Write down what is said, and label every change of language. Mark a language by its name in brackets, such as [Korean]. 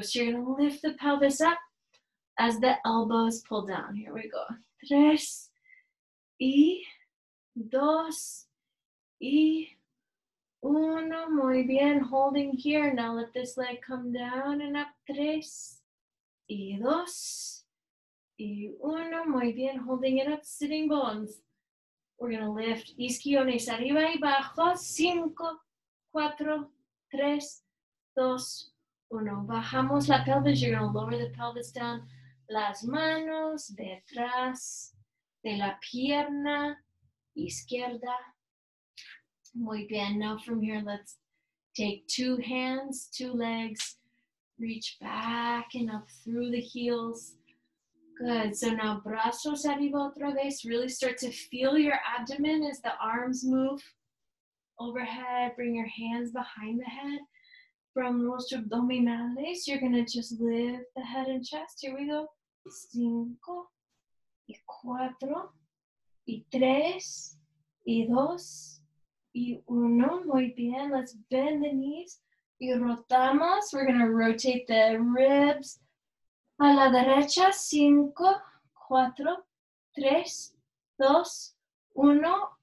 [English] So you're going to lift the pelvis up as the elbows pull down. Here we go. [Spanish] Tres y dos y uno. Muy bien. [English] Holding here. Now let this leg come down and up. [Spanish] Tres y dos. Y uno, muy bien, [English] holding it up, sitting bones. We're going to lift [Spanish] isquiones arriba y bajo. Cinco, cuatro, tres, dos, uno. Bajamos la pelvis, [English] you're going to lower the pelvis down. [Spanish] Las manos detrás de la pierna izquierda. Muy bien, [English] now from here, let's take two hands, two legs. Reach back and up through the heels. Good, so now [Spanish] brazos arriba otra vez. [English] Really start to feel your abdomen as the arms move overhead. Bring your hands behind the head. From [Spanish] los abdominales, [English] you're gonna just lift the head and chest. Here we go. [Spanish] Cinco, y cuatro, y tres, y dos, y uno. Muy bien, [English] let's bend the knees. [Spanish] Y rotamos, [English] we're gonna rotate the ribs. [Spanish] A la derecha, cinco, cuatro, tres, dos, uno.